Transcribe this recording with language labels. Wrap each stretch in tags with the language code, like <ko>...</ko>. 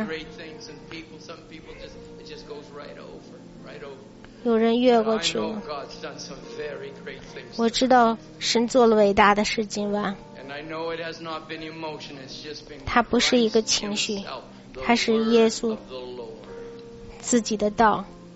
<en>Great things and people, some people just, it just goes right over, right over.</en> <zh>有人越过去了。</zh> <en>I know God's done some very great things.</en> <zh>我知道神做了伟大的事今晚。</zh> <en>And I know it has not been emotion, it's just been.</en> <zh>它不是一个情绪，它是耶稣。自己的道。</zh>